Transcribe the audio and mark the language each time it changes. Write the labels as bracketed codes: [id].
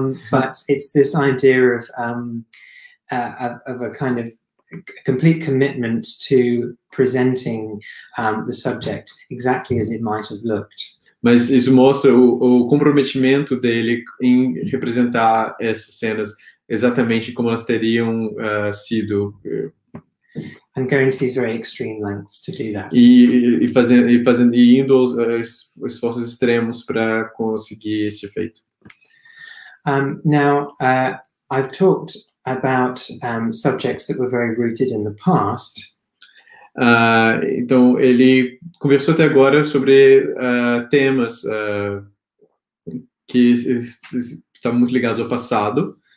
[en] But it's this idea of a kind of complete commitment to presenting the subject exactly as it might have looked. [pt] Mas isso mostra o comprometimento dele em representar essas cenas exatamente como elas teriam sido. [en] And going to these very extreme lengths to do that. [pt] E fazendo indo aos esforços extremos para conseguir esse efeito. [en] Now, I've talked about subjects that were very rooted in the past. [pt] Então, ele conversou até agora sobre temas que estão muito ligados ao passado.